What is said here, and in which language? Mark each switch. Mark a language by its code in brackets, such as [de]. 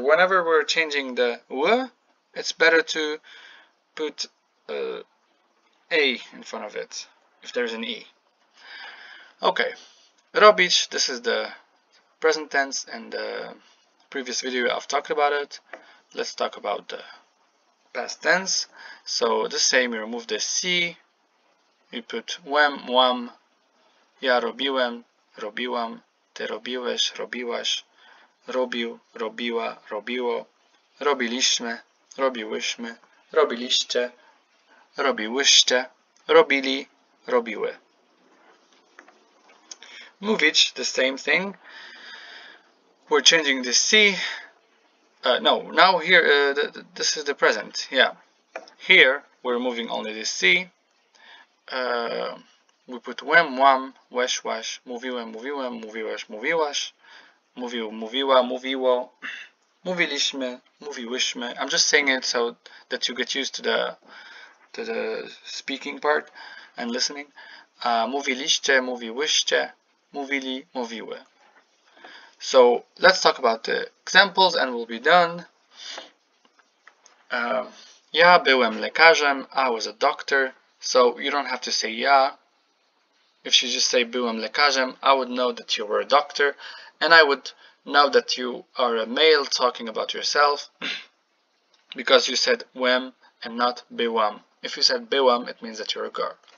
[en] Whenever we're changing the w, it's better to put a in front of it, if there's an e. Okay. Robić, this is the present tense, and the previous video I've talked about it. Let's talk about the past tense. So the same, you remove the c, you put wem, [pl] wam, ja robiłem, robiłam, ty robiłeś, robiłaś, robił, robiła, robiło, robiliśmy, robiłyśmy, robiliście, robiłyście, robili, robiły. [en] Mówić, the same thing. We're changing the C. No, now here, this is the present. Yeah. Here, we're moving only the C. We put wem, wam, wesh, wesh, [pl] mówiłem, mówiłem, mówiłeś, mówiłaś, mówił, mówiła, mówiło, mówiliśmy, mówiłyśmy. [en] I'm just saying it so that you get used to the speaking part and listening. [pl] Mówiliście, mówiłyście, mówili, mówiły. [en] So let's talk about the examples and we'll be done. [pl] Ja byłem lekarzem, [en] I was a doctor. So you don't have to say ja. If you just say [pl] byłem lekarzem, [en] I would know that you were a doctor. And I would know that you are a male talking about yourself, because you said wem and not byłam. If you said byłam, it means that you're a girl.